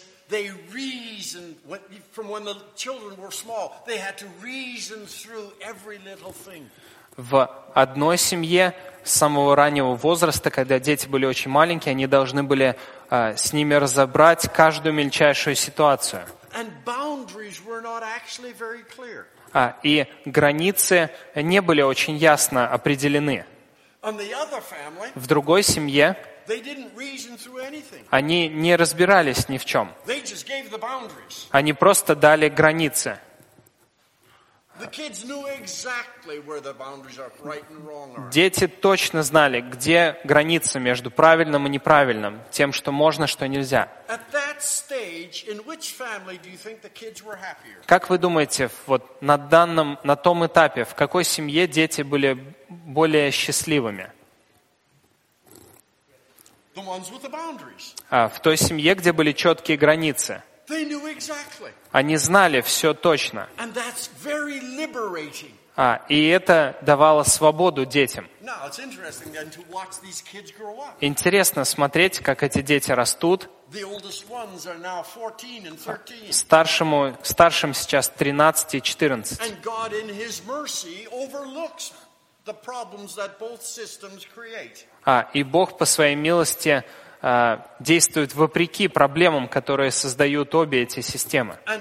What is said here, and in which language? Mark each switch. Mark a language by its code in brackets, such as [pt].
[en] They reasoned from when the children were small. They had to reason through every little thing. [ru] В одной семье с самого раннего возраста, когда дети были очень маленькие, они должны были с ними разобрать каждую мельчайшую ситуацию. [en] And boundaries were not actually very clear. [ru] И границы не были очень ясно определены. [en] On the other family. [ru] В другой семье. [en] They didn't reason through anything. [ru] Они не разбирались ни в чем. [en] They just gave the boundaries. [ru] Они просто дали границы. [en] The kids knew exactly where the boundaries are, right and wrong. [ru] Дети точно знали, где граница между правильным и неправильным, тем, что можно, что нельзя. [en] At that stage, in which family do you think the kids were happier? [ru] Как вы думаете, вот на том этапе, в какой семье дети были более счастливыми? [en] The ones with the boundaries. [ru] В той семье, где были четкие границы. [en] They knew exactly. [ru] Они знали все точно. [en] And that's very liberating. [ru] И это давало свободу детям. [en] Now, it's interesting then to watch these kids grow up. [ru] Интересно смотреть, как эти дети растут. [en] The oldest ones are now 14 and 13. [ru] Старшим сейчас 13 и 14. [en] And God in His mercy overlooks the problems that both systems create. [ru] И Бог по своей милости действует вопреки проблемам, которые создают обе эти системы.